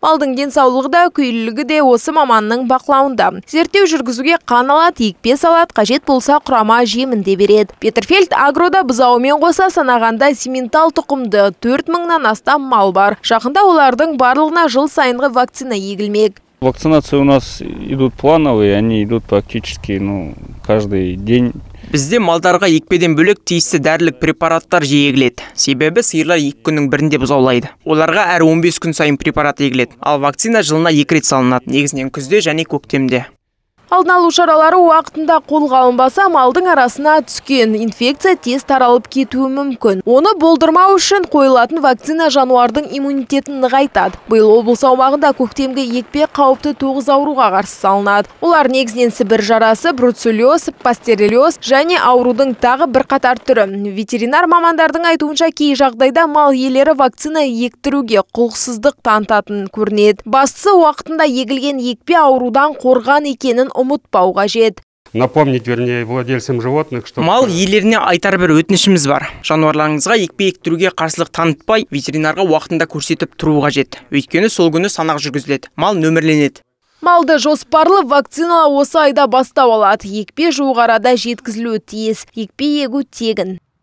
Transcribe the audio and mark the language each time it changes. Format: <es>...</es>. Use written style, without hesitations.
<kk>Малдың денсаулығы да, күйлілігі де осы маманның бақылауында. Зерттеу жүргізуге қан алады, екпе салады, қажет болса құрама жемін де береді. Петерфельд агрода бұзауымен қоса санағанда симментал тұқымды 4000-нан астам мал бар. Жақында олардың барлығына жыл сайынғы вакцина егілмек.</kk> <ru>Вакцинация у нас идут плановые, они идут практически, ну, каждый день.</ru> <kk>Бізде малдарға екпеден бөлек тиісті дәрілік препараттар же егіледі. Себебі сиырлар екі күннің бірінде бұзаулайды. Оларға әр 15 күн сайын препарат егіледі. Ал вакцина жылына екі рет салынады, негізінен күзде және көктемде. Алдын алу шаралары уақытында қолға алынбаса, малдың арасына түскен инфекция тез таралып кетуі мүмкін. Оны болдырмау үшін қойылатын вакцина жануардың иммунитетін нығайтады. Биыл облыс аумағында көктемгі екпе қауіпті 9 ауруға қарсы салынады. Олар негізінен сібір жарасы, бруцеллез, пастереллез және аурудың тағы бір қатар түрі. Ветеринар мамандардың айтуынша, кей жағдайда мал иелері вакцина ектіруге құлықсыздық танытатынын көрінеді. Бастысы уақытында егілген екпе аурудан қорған екенін ұмытпау қажет.</kk> <ru>Напомнить, вернее, владельцам животных, что</ru> <kk>мал иелеріне айтар бір өтінішіміз бар. Жануарларыңызға екпе ектіруге қарсылық танытпай, ветеринарға уақытында көрсетіп тұру қажет. Өйткені сол күні санақ жүргізіледі. Мал нөмірленеді. Малды жоспарлы вакцина осы айда бастау алады. Екпе жуық арада жеткізілуі тиіс. Екпе егу тегін.</kk>